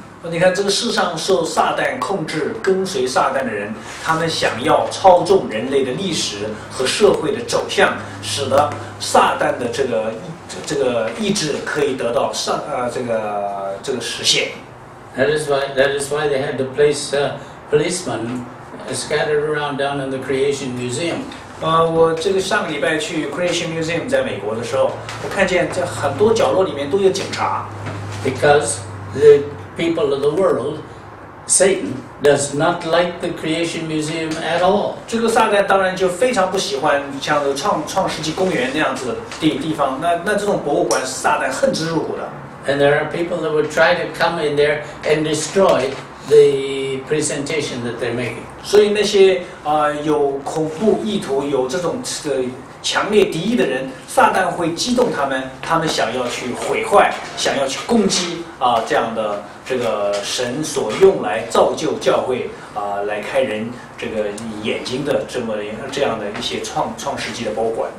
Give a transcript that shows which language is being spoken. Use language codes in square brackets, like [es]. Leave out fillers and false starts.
[zh] 你看这个世上受撒旦控制跟随撒旦的人，他们想要操纵人类的历史和社会的走向，使得撒旦的这个意志可以得到这个实现。 [en] That is why they had to place policemen scattered around down in the Creation Museum. [zh] 我这个上个礼拜去 Creation Museum 在美国的时候，我看见在很多角落里面都有警察。 [en] Because thepeople of the world, Satan does not like the Creation Museum at all. [zh] 这个撒旦当然就非常不喜欢像创世纪公园那样子的地方。那这种博物馆，撒旦恨之入骨的。 [en] And there are people that would try to come in there and destroy the presentation that they're making. [zh] 所以那些有恐怖意图、有这种强烈敌意的人，撒旦会激动他们，他们想要去毁坏，想要去攻击这样的。这个神所用来造就教会来开人这个眼睛的这样的一些创世纪的博物馆。